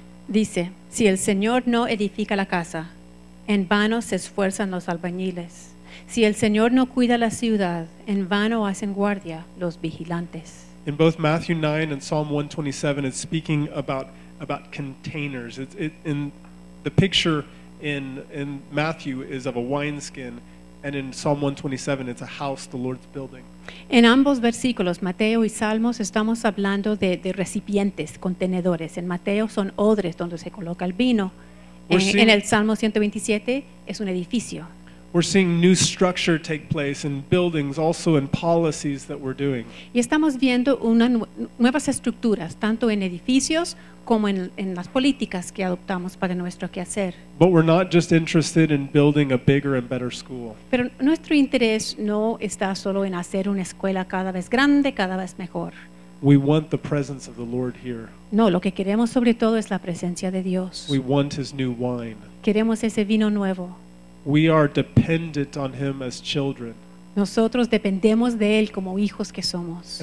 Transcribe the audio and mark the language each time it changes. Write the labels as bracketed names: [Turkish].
[Spanish] Dice, "Si el Señor no edifica la casa, en vano se esfuerzan los albañiles. Si el Señor no cuida la ciudad, en vano hacen guardia los vigilantes." [English] In both Matthew 9 and Psalm 127, it's speaking about containers. In the picture in Matthew is of a wineskin, and in Psalm 127, it's a house the Lord's building. [Spanish] En ambos versículos, Mateo y Salmos, estamos hablando de recipientes, contenedores. En Mateo son odres donde se coloca el vino. En el Salmo 127 es un edificio. [English] We're seeing new structure take place in buildings, also in policies that we're doing. [Spanish] Y estamos viendo nuevas estructuras, tanto en edificios como en las políticas que adoptamos para nuestro quehacer. [English] But we're not just interested in building a bigger and better school. [Spanish] Pero nuestro interés no está solo en hacer una escuela cada vez grande, cada vez mejor. [English] We want the presence of the Lord here. [Spanish] No, lo que queremos sobre todo es la presencia de Dios. [English] We want His new wine. [Spanish] Queremos ese vino nuevo. [English] We are dependent on Him as children. [Spanish] Nosotros dependemos de Él como hijos que somos.